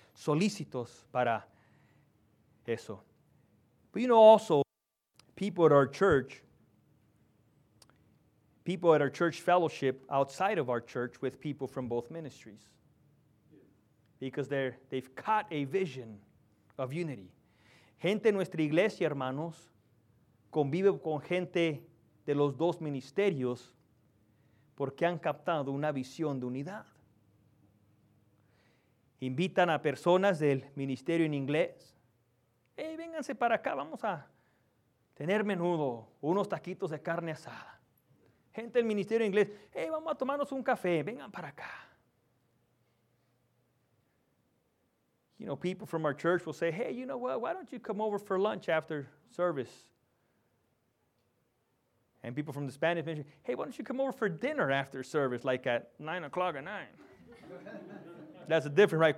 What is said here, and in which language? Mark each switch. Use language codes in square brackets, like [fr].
[es] Solicitos para eso. [en] But you know also, people at our church fellowship outside of our church with people from both ministries. Because they've caught a vision of unity. [es] Gente en nuestra iglesia, hermanos, convive con gente de los dos ministerios porque han captado una visión de unidad. Invitan a personas del ministerio en inglés. Hey, vénganse para acá, vamos a tener menudo, unos taquitos de carne asada. Gente del ministerio en inglés, hey, vamos a tomarnos un café, vengan para acá. [en] You know, people from our church will say, hey, you know what, why don't you come over for lunch after service? And people from the Spanish ministry, hey, why don't you come over for dinner after service, like at 9 o'clock at 9? That's a difference, right?